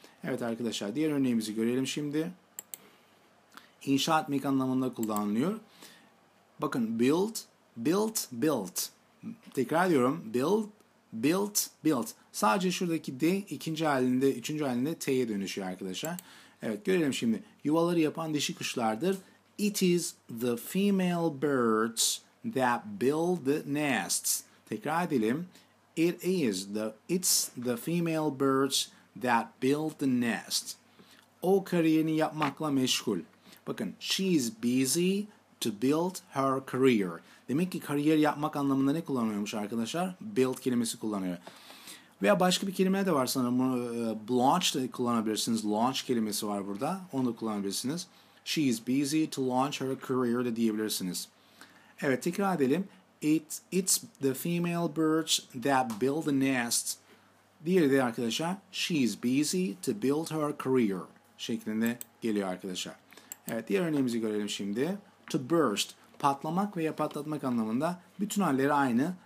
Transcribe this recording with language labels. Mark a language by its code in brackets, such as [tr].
[tr] Evet arkadaşlar, diğer örneğimizi görelim şimdi. İnşa etmek anlamında kullanılıyor. Bakın, build, built, built. Tekrar ediyorum. Build, built, built. Sadece şuradaki D ikinci halinde, üçüncü halinde T'ye dönüşüyor arkadaşlar. Evet, görelim şimdi. Yuvaları yapan dişi kuşlardır. [en] It is the female birds that build the nests. [tr] Tekrar edelim. [en] It's the female birds that build the nest. O kariyerini yapmakla meşgul. Bakın, she is busy to build her career. [tr] Demek ki kariyer yapmak anlamında ne kullanıyormuş arkadaşlar? Build kelimesi kullanıyor. Veya başka bir kelime de var sanırım. Launch da kullanabilirsiniz. Launch kelimesi var burada. Onu da kullanabilirsiniz. [en] She is busy to launch her career [tr] de diyebilirsiniz. Evet, tekrar edelim. [en] It's the female birds that build the nest. [tr] Diğeri de arkadaşlar, [en] she is busy to build her career [tr] şeklinde geliyor arkadaşlar. Evet, diğer örneğimizi görelim şimdi. To burst, patlamak veya patlatmak anlamında bütün halleri aynı.